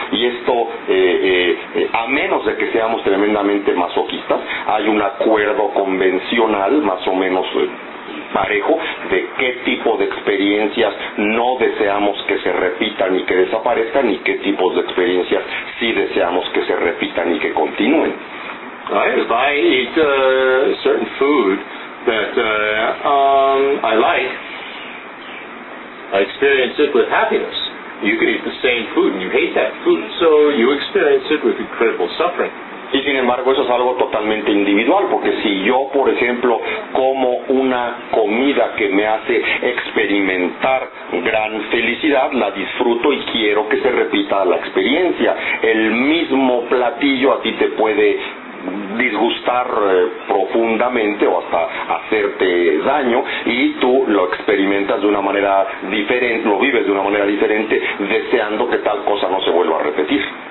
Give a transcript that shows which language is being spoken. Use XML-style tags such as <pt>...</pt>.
<es>Y esto, a menos de que seamos tremendamente masoquistas, hay un acuerdo convencional más o menos parejo de qué tipo de experiencias no deseamos que se repitan y que desaparezcan y qué tipos de experiencias sí deseamos que se repitan y que continúen.</es> <en>If I eat certain food that I like, I experience it with happiness. You could eat the same food and you hate that food, so you experience it with incredible suffering.</en> <es>Y sin embargo, eso es algo totalmente individual, porque si yo, por ejemplo, como una comida que me hace experimentar gran felicidad, la disfruto y quiero que se repita la experiencia. El mismo platillo a ti te puede disgustar profundamente o hasta hacerte daño y tú lo experimentas de una manera diferente, lo vives de una manera diferente, deseando que tal cosa no se vuelva a repetir.</es>